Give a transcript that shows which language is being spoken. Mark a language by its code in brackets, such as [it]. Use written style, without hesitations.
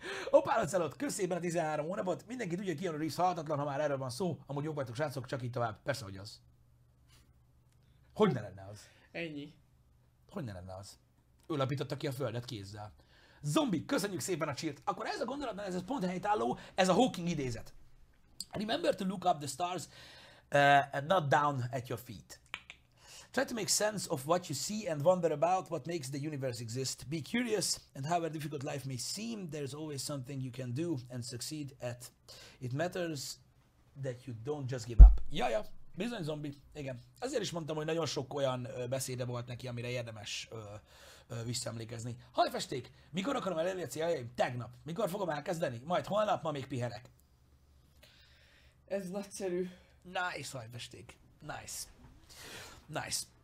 [hu] Opálocelot, köszönjük a 13 hónapot! Mindenki tudja, hogy Keanu Reeves halhatatlan, ha már erről van szó. Amúgy jók vagytok, srácok, csak így tovább. Persze, hogy az. Hogy ne lenne az? Ennyi. Hogy ne lenne az? Ő lapította ki a földet kézzel. Zombi, köszönjük szépen a csírt! Akkor ez a gondolat, ez pont helytálló, ez a Hawking idézet. [en] Remember to look up the stars and not down at your feet. Try to make sense of what you see and wonder about what makes the universe exist. Be curious and however difficult life may seem, there's always something you can do and succeed at. It matters that you don't just give up. [hu] Jaja, bizony zombi. Igen. Azért is mondtam, hogy nagyon sok olyan beszéde volt neki, amire érdemes visszaemlékezni. Hajfesték, mikor akarom elérni a céljaim? Tegnap. Mikor fogom elkezdeni? Majd holnap, ma még pihenek. Ez nagyszerű. Nice, hajbesték. Nice.